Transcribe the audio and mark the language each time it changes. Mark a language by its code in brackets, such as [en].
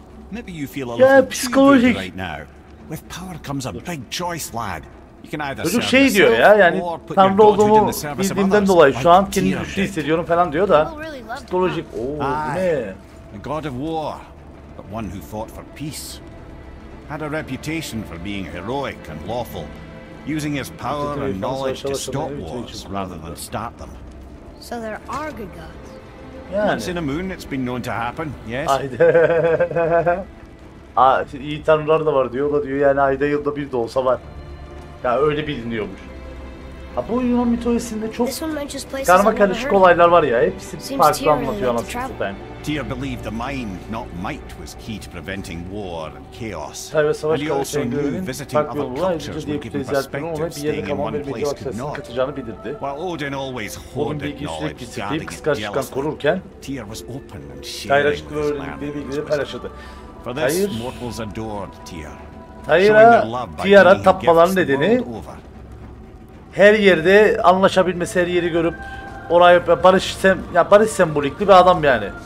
[en] Maybe you feel a little too good right now. With power comes a big choice, lad. You can either serve yourself or put your daughter in the service of others. [tr] Bildiğimden dolayı şu an kendimi güçlü hissediyorum falan diyor da. Psikolojik. Oo, [en] a god of war, but one who fought for peace. Had a reputation for being heroic and lawful. Using his power and knowledge to stop wars rather than start them. So there are good gods. [tr] Yani. [en] Once in a moon it's been known to happen, yes? [tr] Ayda. İyi tanrılar da var diyor. O da diyor yani ayda yılda bir de olsa var. Ya yani öyle biliniyormuş. Ha bu Yunan mitolojisinde çok karma karışık olaylar var ya. Hepsi farklı anlatıyor anasını ben. [en] Tyr believed the mind, not might, was key to preventing war and chaos. And he also knew visiting other cultures would give him perspective, staying in one place could not. While Odin always hoarded knowledge, guarding it jealously, Tyr was open and sharing with his land and his wisdom. For this, mortals adored Tyr. [tr] Tyr'a, Tyr'a tapmaların nedeni, her yerde anlaşabilmesi, her yeri görüp, orayı barış, ya barış sembolikli bir adam yani.